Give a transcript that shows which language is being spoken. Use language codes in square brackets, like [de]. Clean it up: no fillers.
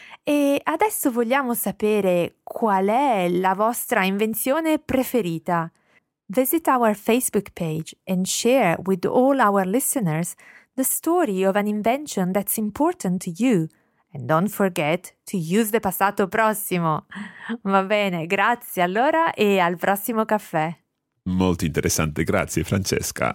[it] E adesso vogliamo sapere qual è la vostra invenzione preferita. [en] Visit our Facebook page and share with all our listeners the story of an invention that's important to you. And don't forget to use the passato prossimo. [it] Va bene, grazie allora e al prossimo caffè. Molto interessante, grazie Francesca.